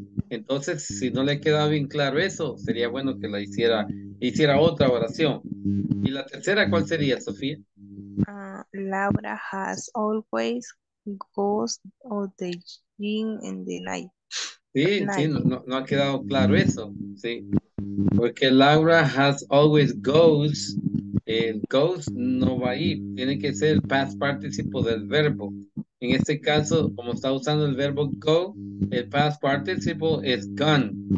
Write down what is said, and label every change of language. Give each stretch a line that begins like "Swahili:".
Spanish: Entonces, si no le queda bien claro eso, sería bueno que la hiciera otra oración. ¿Y la tercera cuál sería, Sofía?
English: Laura has always goes to the gym in the night.
Spanish: Sí, night. Sí, no ha quedado claro eso, sí. Porque
English: Laura has always goes,
Spanish: el goes no va ahí, tiene que ser el past participle del verbo. En este caso, como está usando el verbo go, el past participle es gone.